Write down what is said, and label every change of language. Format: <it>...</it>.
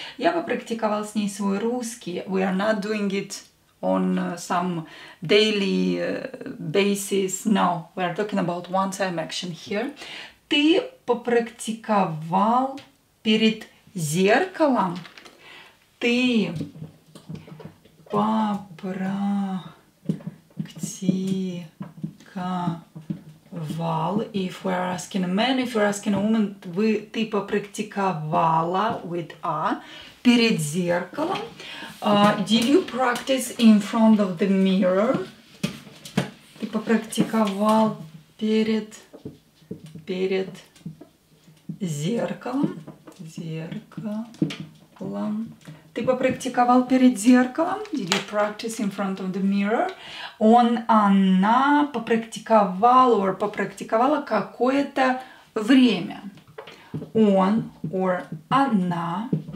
<ru>Я попрактиковал с ней свой русский.</ru> <en>We are not doing it on some daily basis. No, we are talking about one-time action here.</en> <ru>Ты попрактиковал перед зеркалом? Ты попрактиковал,</ru> <en>if we are asking a man, if we are asking a woman,</en> <ru>ты попрактиковала</ru> <en>with a</en> <ru>перед зеркалом.</ru> <en>Did you practice in front of the mirror?</en> <ru>Ты попрактиковал перед зеркалом. Зеркалом. Ты попрактиковал перед зеркалом?</ru> <en>Did you practice in front of the mirror?</en> <ru>Он, она попрактиковал or попрактиковала какое-то время. Он or она</ru>